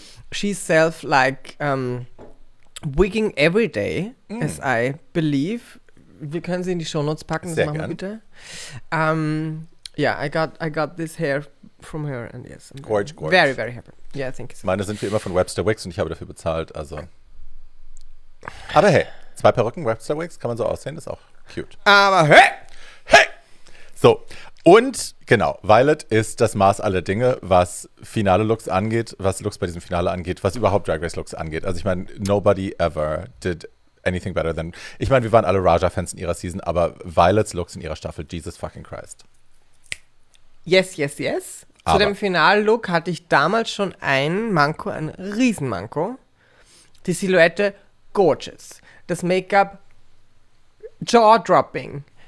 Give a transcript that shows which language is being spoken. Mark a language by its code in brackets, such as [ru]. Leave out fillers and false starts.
[en] She's self, like, wigging every day, as I believe. [de] Wir können sie in die Shownotes packen. Sehr gern. Das machen wir bitte. [en] I got this hair from her. And yes. Gorge, gorge. Very, very happy. Yeah, thank you so much. [de] Meine sind wie immer von Webster Wigs und ich habe dafür bezahlt, also. Aber hey. Zwei Perücken, Webster Wigs, kann man so aussehen, ist auch cute. Aber hey! Hey! So, und genau, Violet ist das Maß aller Dinge, was Finale-Looks angeht, was Looks bei diesem Finale angeht, was überhaupt Drag Race-Looks angeht. Also ich meine, [en] nobody ever did anything better than... [de] Ich meine, wir waren alle Raja-Fans in ihrer Season, aber Violets Looks in ihrer Staffel, [en] Jesus fucking Christ. Yes, yes, yes. [de] Aber. Zu dem Finale-Look hatte ich damals schon ein Manko, ein Riesenmanko. Die Silhouette, gorgeous. Das Make-up, jaw-dropping.